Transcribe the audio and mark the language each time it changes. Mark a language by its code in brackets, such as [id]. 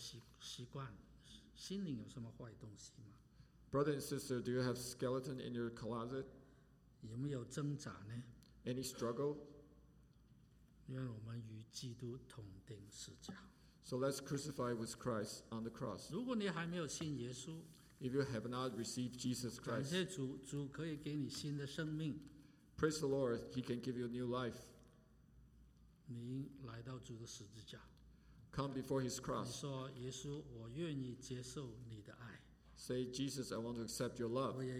[zh] 弟兄姐妹,你身体上有什么坏时间,坏习惯,心灵有什么坏东西吗? [en] Brother and sister, do you have skeleton in your closet? [zh] 有没有挣扎呢? [en] Any struggle? [zh] 愿我们与基督同钉十字架。 [en] So let's crucify with Christ on the cross. [zh] 如果你还没有信耶稣, [en] If you have not received Jesus Christ, [zh] 感谢主, 主可以给你新的生命, [en] praise the Lord, He can give you new life. [zh] 您来到主的十字架, [en] Come before His cross. [zh] 你说, 耶稣, 我愿意接受你的爱, [en] Say, Jesus, I want to accept your love.